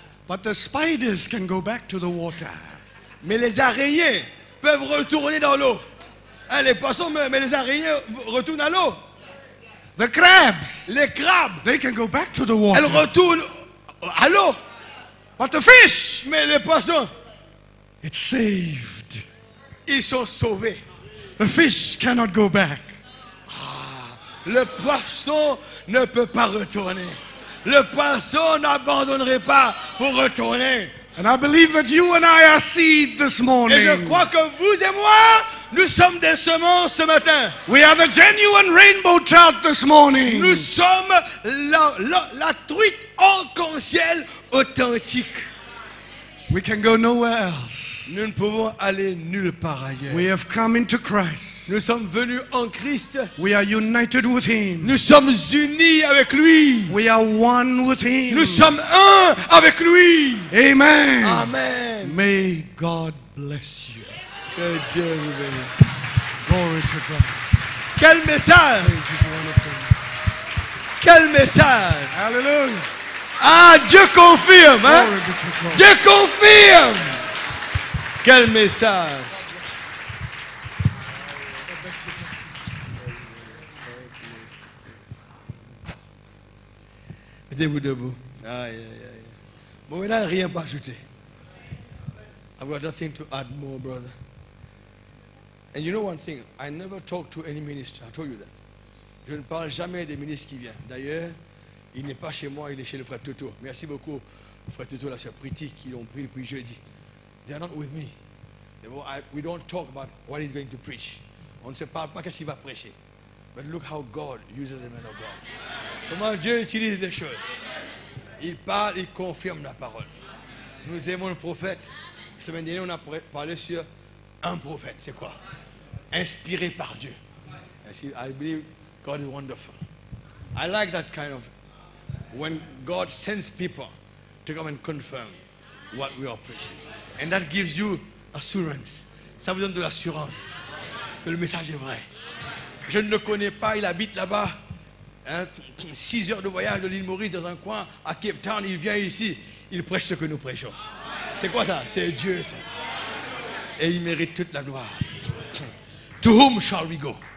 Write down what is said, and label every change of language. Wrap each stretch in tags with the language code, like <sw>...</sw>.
<en>But the spiders can go back to the water.</en> <fr>Mais les araignées peuvent retourner dans l'eau. Hein, les poissons meurent, mais les araignées retournent à l'eau.</fr> <en>The crabs,</en> <fr>les crabes,</fr> <en>they can go back to the water.</en> <fr>Elles retournent à l'eau.</fr> <en>But the fish,</en> <fr>mais les poissons,</fr> <en>it's saved.</en> <fr>Ils sont sauvés.</fr> <en>The fish cannot go back.</en> <fr>Ah, le poisson ne peut pas retourner. Le poisson n'abandonnerait pas pour retourner.</fr> <en>And I believe that you and I are seed this morning.</en> <fr>Et je crois que vous et moi, nous sommes des semences ce matin.</fr> <en>We are the genuine rainbow trout this morning.</en> <fr>Nous sommes la truite arc-en-ciel authentique.</fr> <en>We can go nowhere else.</en> <fr>Nous ne pouvons aller nulle part ailleurs.</fr> <en>We have come into Christ.</en> <fr>Nous sommes venus en Christ.</fr> <en>We are united with him.</en> <fr>Nous sommes unis avec lui.</fr> <en>We are one with him.</en> <fr>Nous sommes un avec lui. Amen. Amen.</fr> <en>May God bless you.</en> <fr>Que Dieu vous bénisse.</fr> <en>Glory to God.</en> <fr>Quel message! Quel message! Alléluia! Ah, Dieu confirme, hein? Dieu confirme! Quel message! Mettez-vous debout. Aïe, aïe, aïe. Bon, il n'a rien pour ajouter.</fr> <en>I've got nothing to add more, brother. And you know one thing, I never talk to any minister. I told you that.</en> <fr>Je ne parle jamais des ministres qui viennent. D'ailleurs, il n'est pas chez moi, il est chez le frère Toto. Merci beaucoup, frère Toto, la sœur Priti, qui l'ont pris depuis jeudi.</fr> <en>They are not with me. We don't talk about what he's going to preach.</en> <fr>On ne se parle pas qu'est-ce qu'il va prêcher.</fr> <en>But look how God uses a man of God.</en> <fr>Comment Dieu utilise les choses. Il parle, il confirme la parole. Nous aimons le prophète. semaine dernière, on a parlé sur un prophète. C'est quoi? Inspiré par Dieu.</fr> <en>I believe God is wonderful. I like that kind of when God sends people to come and confirm what we are preaching. And that gives you assurance.</en> <fr>Ça vous donne de l'assurance que le message est vrai. Je ne le connais pas, il habite là-bas. 6 heures de voyage de l'île Maurice dans un coin à Cape Town, il vient ici, il prêche ce que nous prêchons. C'est quoi ça? C'est Dieu ça. Et il mérite toute la gloire.</fr> <en>To whom shall we go?</en>